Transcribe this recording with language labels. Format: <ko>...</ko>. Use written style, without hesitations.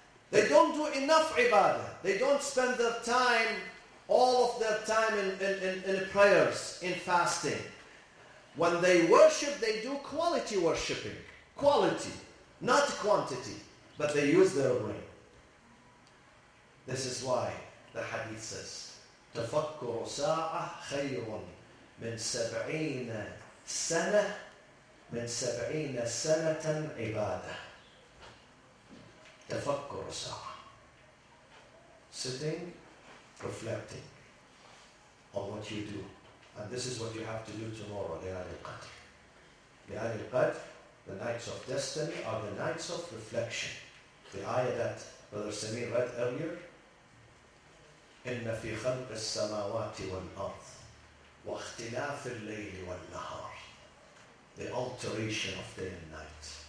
<en>They don't do enough ibadah. They don't spend their time, all of their time in prayers, in fasting. When they worship, they do quality worshiping. Quality, not quantity. But they use their brain. This is why the hadith says,</en> <ar>تفكر ساعة خير من 70 سنة من 70 سنة عبادة. تفكر ساعة.</ar> <en>Sitting, reflecting on what you do. And this is what you have to do tomorrow,</en> <ar>ليالي القدر. يعني القدر,</ar> <en>the nights of destiny are the nights of reflection. The ayah that Brother Samir read earlier,</en> <ar>إِنَّ فِي خَلْقِ السَّمَاوَاتِ وَالْأَرْضِ وَاخْتِلَافِ اللَّيْلِ وَالنَّهَارِ</ar> <en>The alteration of day and night.</en>